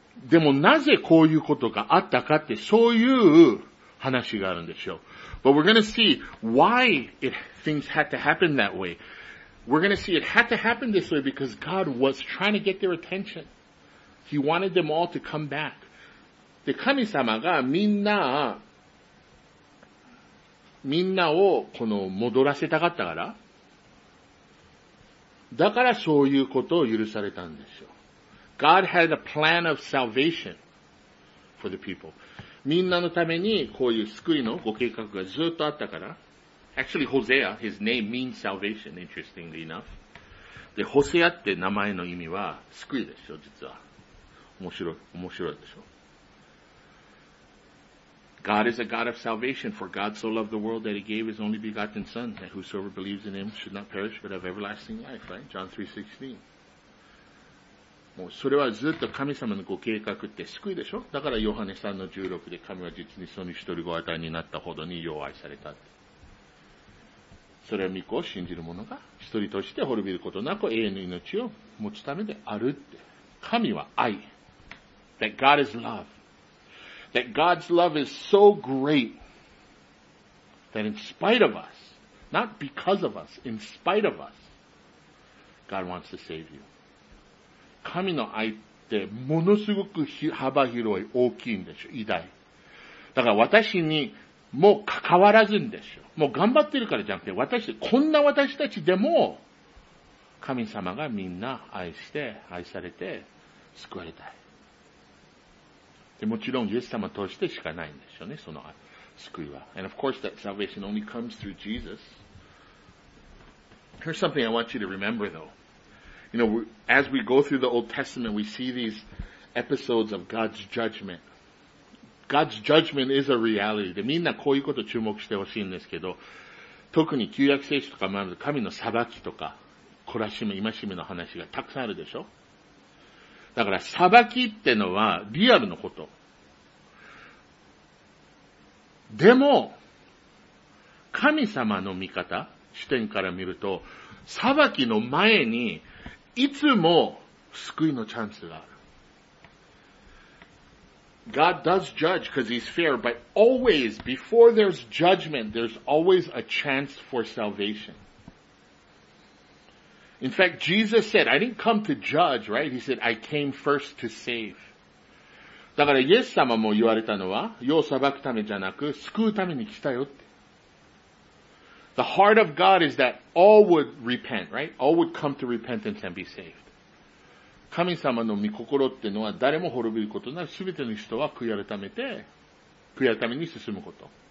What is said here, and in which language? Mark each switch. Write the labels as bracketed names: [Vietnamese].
[Japanese] でもなぜこういうことがあったかってそういう話があるんでしょう。 [English] But we're gonna see why things had to happen that way. We're gonna see it had to happen this way because God was trying to get their attention. He wanted them all to come back. [Japanese] で、神様がみんなをこの戻らせたかったから。だからそういうことを許されたんでしょう。 [English] God had a plan of salvation for the people. [Japanese] みんなのためにこういう救いのご計画がずっとあったから。 [English] Actually, Hosea, his name means salvation, interestingly enough. [Japanese] で、ホセアって名前の意味は救いでしょ、実は。面白いでしょ。 [English] God is a God of salvation, for God so loved the world that he gave his only begotten son, that whosoever believes in him should not perish, but have everlasting life, right? John 3:16. [Japanese] もうそれはずっと神様のご計画って救いでしょ。だからヨハネ3の16で神は実にその一人ご与えになったほどによう愛された。それは御子を信じる者が一人として滅びることなく永遠の命を持つためであるって。神は愛。 [English] That God is love. That God's love is so great that in spite of us, not because of us, in spite of us, God wants to save you. [Japanese] 神の愛ってものすごく幅広い、大きいんでしょ、偉大。だから私にもう関わらずんでしょ。もう頑張ってるからじゃなくて、私、こんな私たちでも、神様がみんな愛して、愛されて、救われたい。で、もちろん、イエス様を通してしかないんでしょうね、その救いは。 [English] And of course, that salvation only comes through Jesus. Here's something I want you to remember, though. You know, as we go through the Old Testament, we see these episodes of God's judgment. God's judgment is a reality. [Japanese] で、みんなこういうこと注目してほしいんですけど、特に旧約聖書とかもあると、神の裁きとか、懲らしめ、戒めの話がたくさんあるでしょ。だから、裁きってのは、リアルのこと。でも、神様の見方、視点から見ると、裁きの前に、いつも救いのチャンスがある。 [English] God does judge because he's fair, but always, before there's judgment, there's always a chance for salvation. In fact, Jesus said, I didn't come to judge, right? He said, I came first to save. [Japanese] だからイエス様も言われたのは、世を裁くためじゃなく、救うために来たよって。 [English] The heart of God is that all would repent, right? All would come to repentance and be saved. [Japanese] 神様の御心ってのは誰も滅びることなく、すべての人は悔い改めて、悔い改めに進むこと。